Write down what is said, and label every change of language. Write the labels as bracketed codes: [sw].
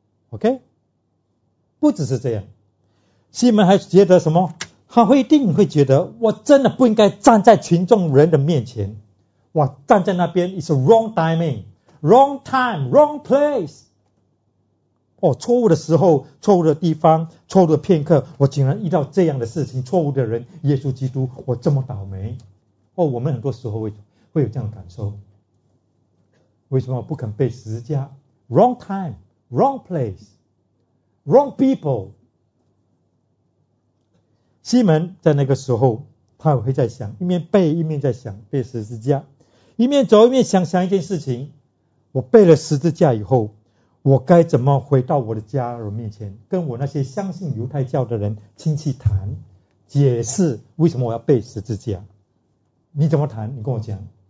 [zh] OK， 不只是这样，西门还觉得什么，他会一定会觉得我真的不应该站在群众人的面前，我站在那边 [en] It's a wrong timing, wrong time, wrong place、 [zh] 哦、错误的时候，错误的地方，错误的片刻，我竟然遇到这样的事情，错误的人耶稣基督，我这么倒霉、哦、我们很多时候会有这样的感受，为什么不肯背十字架？ [en] Wrong time, wrong place, wrong people。 [zh] 西门在那个时候他会在想，一面背一面在想背十字架，一面走一面想想一件事情，我背了十字架以后，我该怎么回到我的家人面前，跟我那些相信犹太教的人亲戚谈，解释为什么我要背十字架。你怎么谈？你跟我讲。